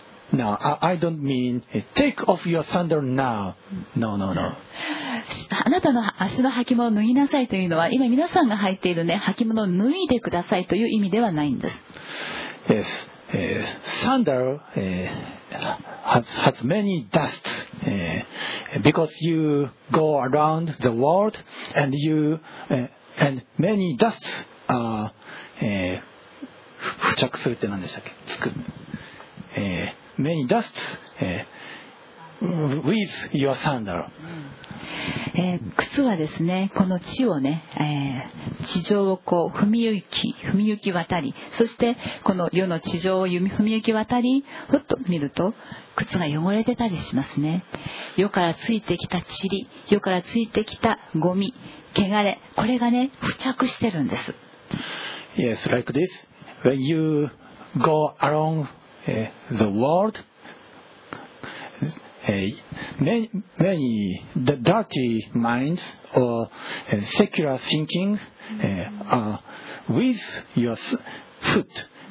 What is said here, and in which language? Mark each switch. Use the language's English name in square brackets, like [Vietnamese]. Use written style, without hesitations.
[English] No, I don't mean take off your sandal now. No, no, no. [Japanese] あなたの足の履物を脱ぎなさいというのは、今皆さんが履いているね、履物を脱いでくださいという意味ではないんです。 [English] Yes. Sandal has many dust because you go around the world and you and many dust are. [Japanese] 付着するって何でしたっけ？つく。 [English] Many dust with your sandal. [Japanese] 靴はですね、この地をね、地上をこう踏み行き渡り、そしてこの世の地上を踏み行き渡り、ふっと見ると靴が汚れてたりしますね。世からついてきた塵、世からついてきたゴミ、汚れ、これがね、付着してるんです。 [English] Yes, like this. When you go around the world, many the dirty minds or secular thinking are with your foot.